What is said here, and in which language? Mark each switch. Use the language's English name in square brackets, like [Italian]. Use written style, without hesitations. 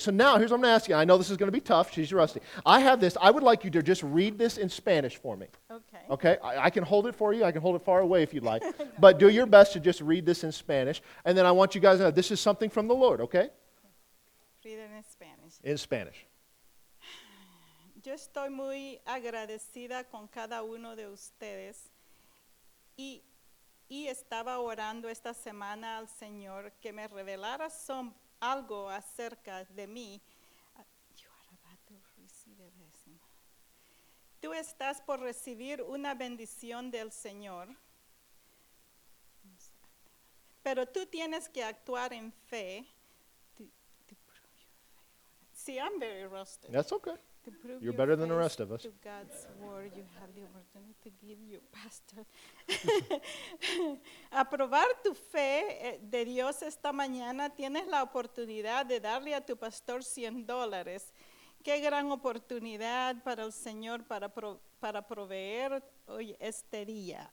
[English] So now, here's what I'm going to ask you. I know this is going to be tough. She's rusty. I have this. I would like you to just read this in Spanish for me. Okay. I can hold it for you. I can hold it far away if you'd like. But do your best to just read this in Spanish, and then I want you guys to know this is something from the Lord, okay? Read it in Spanish. In Spanish. [Spanish] Yo estoy muy agradecida con cada uno de ustedes y estaba orando esta semana al Señor que me revelara algo acerca de mí. [English] You are about to receive a blessing. [Spanish] Tú estás por recibir una bendición del Señor, pero tú tienes que actuar en fe. [English] See, I'm very rusted. That's okay. You're better than the rest of us. To God's word, you have the opportunity to give you, Pastor. [Spanish] A probar tu fe de Dios esta mañana, tienes la oportunidad de darle a tu pastor $100. Qué gran oportunidad para el Señor para proveer hoy este día.